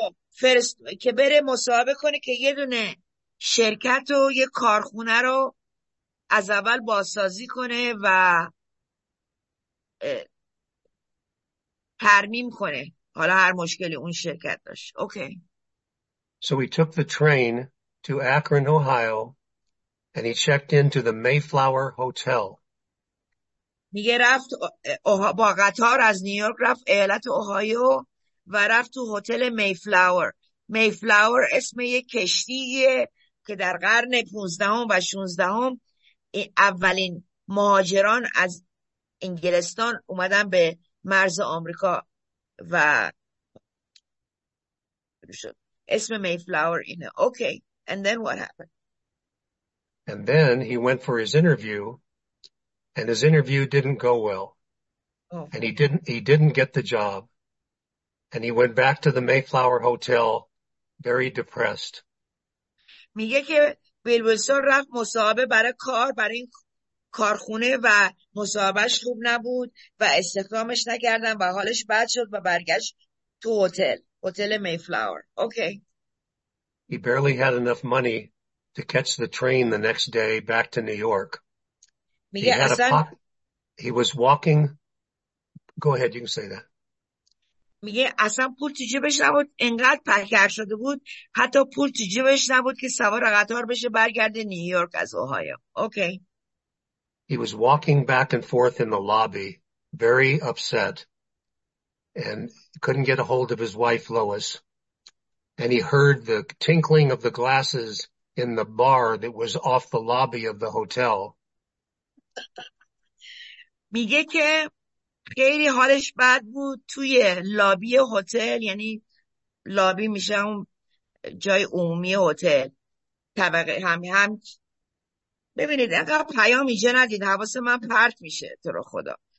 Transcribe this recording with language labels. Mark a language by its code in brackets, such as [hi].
[fa] فرست که بره مصاحبه کنه که یه دونه شرکت و یه کارخونه رو از اول بازسازی کنه و ترمیم کنه حالا هر مشکلی اون شرکت داشت. [en] Okay So he took the train to Akron, Ohio. And he checked into the Mayflower Hotel. [fa] میگه رفت با قطار از نیویورک رفت ایالت اوهایو و رفت تو هتل میفلاور. میفلاور اسم یک کشتیه که در قرن 15 و 16 اولین مهاجران از انگلستان اومدن به مرز آمریکا و اسم میفلاور اینه. [en] Okay and then what happened? And then he went for his interview, and his interview didn't go well. Oh. And he didn't get the job. And he went back to the Mayflower Hotel, very depressed. [fa] میگه که بیل ویلسون رفت مصاحبه برای کار برای این کارخونه و مصاحبهش خوب نبود و استخدامش نکردن و حالش بد شد و برگشت تو هتل Mayflower. [en] Okay. He barely had enough money to catch the train the next day back to New York. He was walking. Go ahead, you can say that. [fa] میگه اصلا پول تو جیبش نبود، انقدر پرکر شده بود، حتی پول تو جیبش نبود که سوار قطار بشه برگرده نیویورک از اوهایو. [en] Okay. He was walking back and forth in the lobby, very upset, and couldn't get a hold of his wife Lois, and he heard the tinkling of the glasses in the bar that was off the lobby of the hotel. [fa] میگه که خیلی حالش بد بود توی لابی هتل، یعنی لابی میشه اون جای عمومی هتل طبقه هم ببینید اگر پیام اینجا ندید حواس من پرت میشه تو رو خدا.